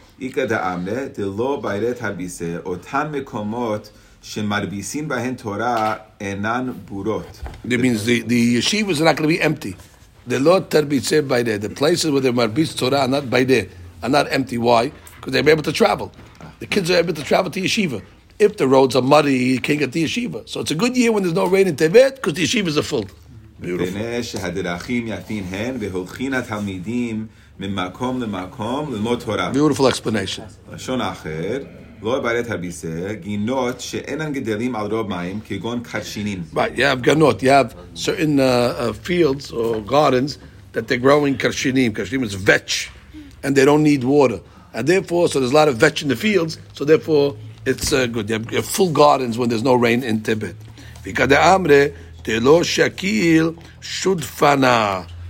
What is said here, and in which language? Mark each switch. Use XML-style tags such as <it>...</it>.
<arc>איקא דאמרי דלא בירא תרביסי,</arc> <he>אותן מקומות שמרביסין בהן תורה אינן בורות.</he> <en>That means the yeshiva is not going to be empty.</en> <arc>דלא תרביסי בירא,</arc> <en>the places where they מרביס תורה are not בירא, are not empty. Why? Because they're able to travel. The kids are able to travel to yeshiva. If the roads are muddy, you can't get the yeshiva. So it's a good year when there's no rain in Tevet because the yeshivas are full. Beautiful explanation.</en> <he>לשון אחר, לא בירא תרביסי, גינות שאינן גדלים על רוב מים, כגון קרשינים.</he> <en>Right, you have גנות, you have certain fields or gardens that they're growing קרשינים. קרשינים is vetch, and they don't need water. And therefore, so there's a lot of vetch in the fields, so therefore, it's good. You have full gardens when there's no rain in Tibet. Because the Amre, the Lo Shakil Shudfana.</en>